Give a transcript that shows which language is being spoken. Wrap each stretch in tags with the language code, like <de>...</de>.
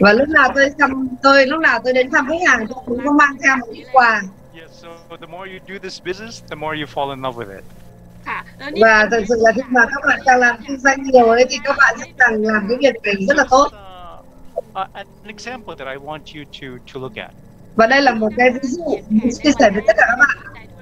<vi>Và lúc nào tôi đến thăm khách hàng, tôi cũng mang theo một quà.</vi> <en>Yes, so the more you do this business, the more you fall in love with it.</en> <vi>Và thật sự là khi mà các bạn càng làm kinh doanh nhiều ấy, thì các bạn sẽ càng làm cái việc này rất là tốt.</vi> <en>An example that I want you to look at.</en> <vi>Và đây là một cái ví dụ chia sẻ với tất cả các bạn.</vi>